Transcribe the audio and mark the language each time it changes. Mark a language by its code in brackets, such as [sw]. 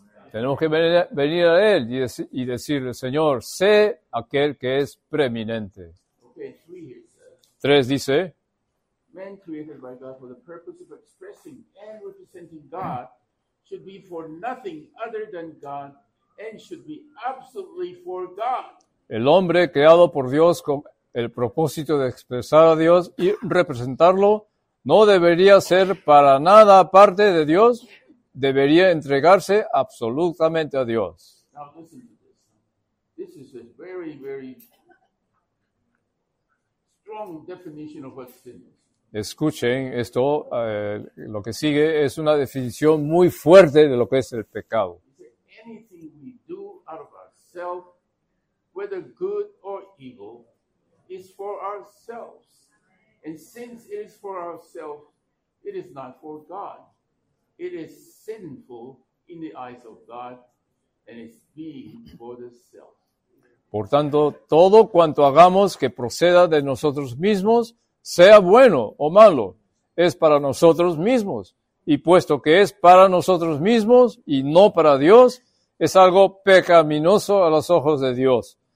[es] Tenemos que venir a Él y decirle, Señor, sé aquel que es preeminente. [en] Okay, [es] tres dice. [en] Men created by God for the purpose of expressing and representing God should be for nothing other than God and should be absolutely for God. [es] El hombre creado por Dios con el propósito de expresar a Dios y representarlo no debería ser para nada aparte de Dios, debería entregarse absolutamente a Dios. [en] Now listen to this. This is a very, very strong definition of what sin is. [es] Escuchen esto, lo que sigue es una definición muy fuerte de lo que es el pecado. [en] Anything we do out of ourselves, whether good or evil, is for ourselves. And since it is for ourselves, it is not for God. It is sinful in the eyes of God, and it's being for the self. [es] Por tanto, todo cuanto hagamos que proceda de nosotros mismos, sea bueno o malo, es para nosotros mismos. Y puesto que es para nosotros mismos y no para Dios, es algo pecaminoso a los ojos de Dios.